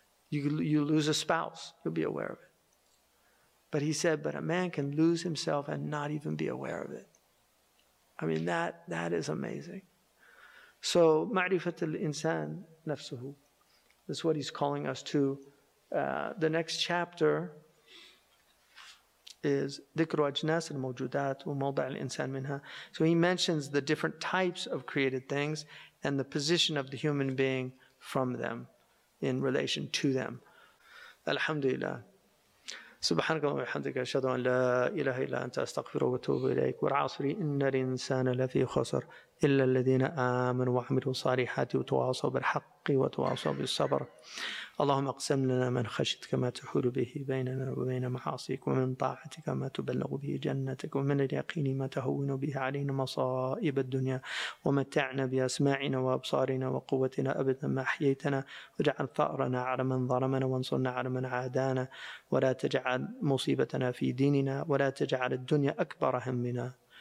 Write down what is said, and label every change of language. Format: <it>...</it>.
<en>You lose a spouse, you'll be aware of it. But he said, but a man can lose himself and not even be aware of it. I mean, that is amazing. So,</en> <ar>ma'rifat al-insan nafsuhu.</ar> <en>That's what he's calling us to. The next chapter is</en> <ar>ذكر أجناس الموجودات وموضع الإنسان منها.</ar> <en>So he mentions the different types of created things and the position of the human being from them, in relation to them.</en> <ar>الحمد لله. سبحانك اللهم وبحمدك أشهد أن لا إله إلا أنت أستغفر وأتوب إليك والعصر إن الإنسان لفي خسر إلا الذين آمنوا وعملوا الصالحات وتواصوا بالحق وتواصوا بالصبر. اللهم اقسم لنا من خشيتك ما تحول به بيننا وبين معاصيك, ومن طاعتك ما تبلغ به جنتك, ومن اليقين ما تهون به علينا مصائب الدنيا, ومتعنا بأسماعنا وأبصارنا وقوتنا أبدا ما أحييتنا, واجعل ثأرنا على من ظلمنا, وانصرنا على من عادانا, ولا تجعل مصيبتنا في ديننا, ولا تجعل الدنيا أكبر همنا,</ar>